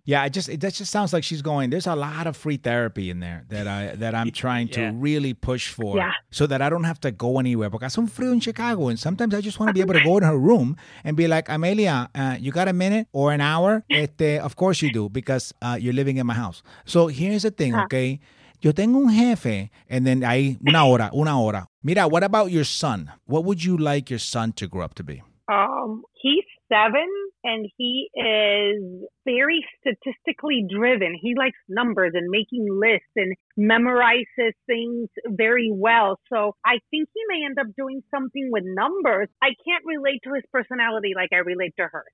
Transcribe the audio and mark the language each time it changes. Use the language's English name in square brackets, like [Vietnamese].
[English] Yeah, that just sounds like she's going, there's a lot of free therapy in there that I'm trying to really push for so that I don't have to go anywhere. [Spanish] Porque hace un frío en Chicago [English] and sometimes I just want to be able to go to her room and be like, Amelia, you got a minute or an hour? Of course you do, because you're living in my house. So here's the thing, okay? [Spanish] Yo tengo un jefe, [English] and then [Spanish] ahí, una hora. [English] Mira, what about your son? What would you like your son to grow up to be? He's 7, and he is very statistically driven. He likes numbers and making lists and memorizes things very well. So I think he may end up doing something with numbers. I can't relate to his personality like I relate to her.